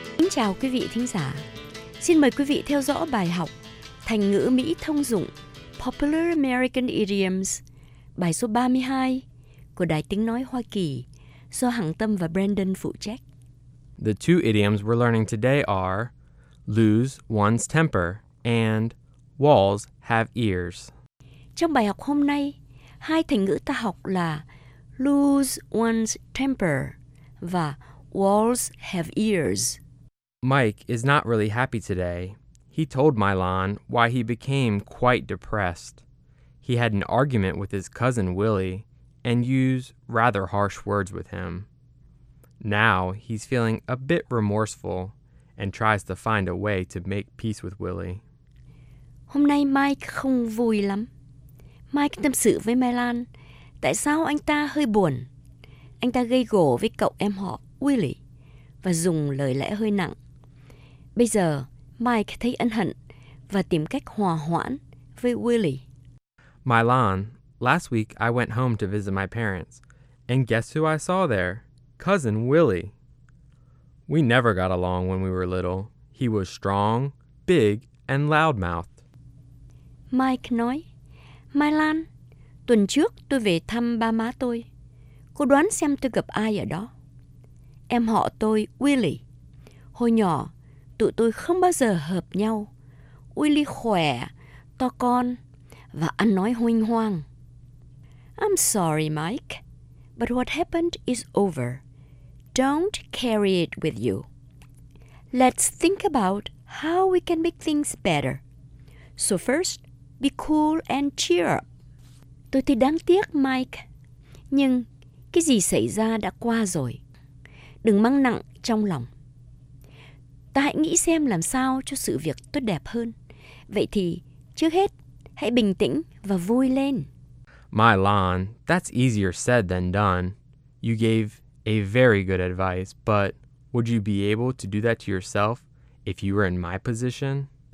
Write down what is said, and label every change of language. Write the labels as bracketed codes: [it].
[vi] Chào quý vị thính giả. Xin mời quý vị theo dõi bài học Thành ngữ Mỹ thông dụng [en] Popular American Idioms, [vi] bài số 32 của Đài Tiếng Nói Hoa Kỳ do Hằng Tâm và Brandon phụ trách. [en] The two idioms we're learning today are lose one's temper and walls have ears. [vi] Trong bài học hôm nay, hai thành ngữ ta học là [en] lose one's temper [vi] và [en] walls have ears. Mike is not really happy today. He told Milan why he became quite depressed. He had an argument with his cousin Willie and used rather harsh words with him. Now he's feeling a bit remorseful and tries to find a way to make peace with Willie. [vi] Hôm nay Mike không vui lắm. Mike tâm sự với Milan tại sao anh ta hơi buồn. Anh ta gây gổ với cậu em họ Willie và dùng lời lẽ hơi nặng. Bây giờ, Mike thấy ân hận và tìm cách hòa hoãn với Willie. [en] Milan, last week I went home to visit my parents, and guess who I saw there? Cousin Willie. We never got along when we were little. He was strong, big, and loud-mouthed. [vi] Mike nói, Milan, tuần trước tôi về thăm ba má tôi. Cô đoán xem tôi gặp ai ở đó. Em họ tôi, Willie. Hồi nhỏ, tụi tôi không bao giờ hợp nhau. Willie khỏe, to con và ăn nói huênh hoang. [en] I'm sorry, Mike, but what happened is over. Don't carry it with you. Let's think about how we can make things better. So first, be cool and cheer up. [vi] Tôi thì đáng tiếc, Mike, nhưng cái gì xảy ra đã qua rồi. Đừng mang nặng trong lòng. Ta hãy nghĩ xem làm sao cho sự việc tốt đẹp hơn. Vậy thì, trước hết, hãy bình tĩnh và vui lên. [en] Milan, that's easier said than done. You gave a very good advice, but would you be able to do that to yourself if you were in my position?